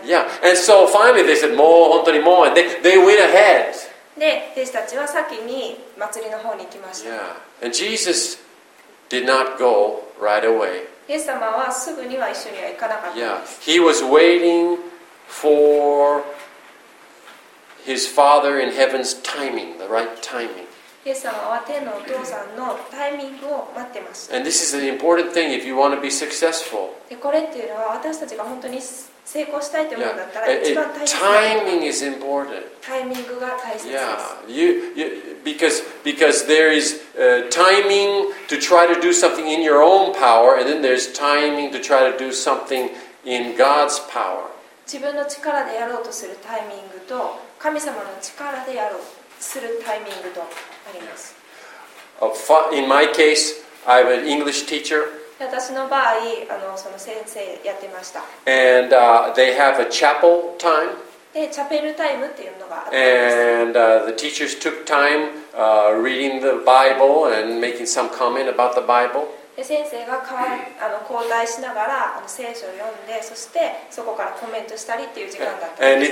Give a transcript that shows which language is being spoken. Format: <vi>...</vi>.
<en>Yeah, and so finally they said,</en> <ja>もう本当にもう。</ja> <en>And they went ahead.</en> <ja>で、弟子たちは先に祭りの方に行きました。</ja> <en>Yeah. And Jesus did not go right away.</en> <ja>イエス様はすぐには一緒には行かなかった。</ja> <en>Yeah. He was waiting for his Father in heaven's timing, the right timing.</en> <ja>イエス様は天のお父さんのタイミングを待ってました。</ja> <en>And this is an important thing if you want to be successful.</en> <ja>で、これっていうのは私たちが本当に成功したいと思うんだったら一番大切な、yeah.</ja> <en>timing is important.</en> <ja>タイミングが大切です。</ja> <en>Yeah, because there is timing to try to do something in your own power, and then there's timing to try to do something in God's power.</en> <ja>自分の力でやろうとするタイミングと神様の力でやろうとするタイミングとあります。</ja> <en>In my case, I have an English teacher.</en> <ja>私の場合、その先生やってました。</ja> <en>And they have a chapel time.</en> <ja>で、チャペルタイムっていうのがあったんです。</ja> <en>And the teachers took time reading the Bible and making some comment about the Bible.</en> <ja>で、先生が交代しながら聖書を読んで、そしてそこからコメントしたりっていう時間だったんです。</ja>